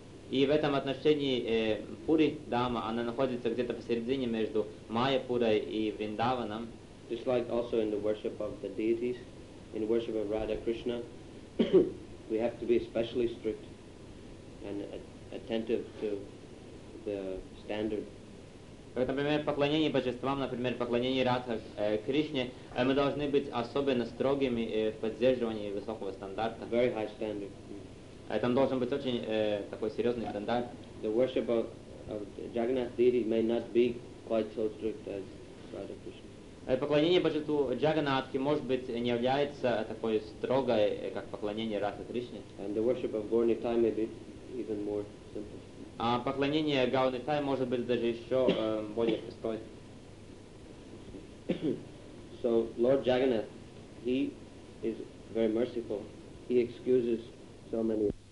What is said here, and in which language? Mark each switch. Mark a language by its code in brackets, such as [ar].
[ru] И в этом отношении Пури Дама, она находится где-то посередине между Майяпурой и Вриндаваном. [en] Just like also in the worship of the deities, in worship of Radha Krishna, we have to be especially strict and attentive to the standard. [ru] Как, например, поклонение божествам, например, поклонение Радха Кришне, мы должны быть особенно строгими в поддерживании высокого стандарта. [en] Very high standard. [ru] Там должен быть очень такой серьезный стандарт. [en] The worship of Jagannath deity may not be quite so strict as Radha Krishna. [ru] Поклонение божеству Джаганнатхи, может быть, не является такой строгой, как поклонение Радха Кришне. [en] And the worship of Gaur Nithai may be even more simple. [ru] А поклонение Гауны Сай может быть даже еще более простой. [en] So Lord Jagannath, he is very merciful. He excuses so many.